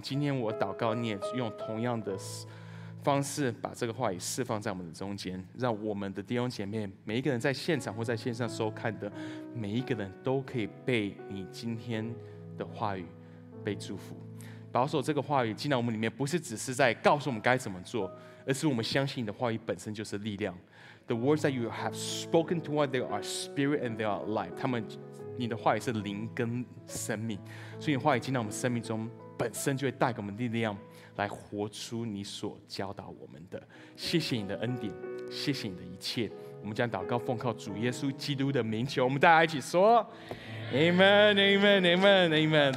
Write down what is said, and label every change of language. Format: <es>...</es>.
<zh>今天我祷告，你也用同样的方式把这个话语释放在我们的中间，让我们的弟兄姐妹每一个人在现场或在线上收看的每一个人都可以被你今天的话语被祝福，保守这个话语进到我们里面，不是只是在告诉我们该怎么做，而是我们相信你的话语本身就是力量。</zh> <en>The words that you have spoken to us, they are spirit and they are life.</en> <zh>他们，你的话语是灵跟生命，所以你话语进到我们生命中本身就会带给我们力量，来活出你所教导我们的。谢谢你的恩典，谢谢你的一切，我们将祷告奉靠主耶稣基督的名求，我们大家一起说 Amen, Amen, Amen, Amen.</zh>